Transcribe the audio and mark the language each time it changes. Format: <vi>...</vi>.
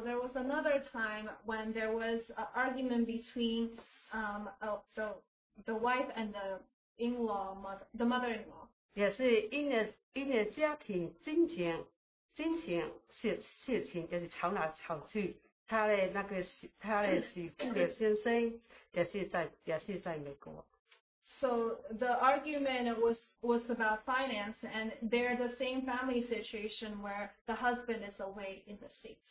<en>there was another time when there was an argument between the wife and the in-law mother, the mother-in-law.</en> <zh>也是因为家庭金钱。金钱事情就是吵来吵去，他的那个媳妇的先生也是在美国。</zh> <en>So the argument was about finance, and they're the same family situation where the husband is away in the States.</en>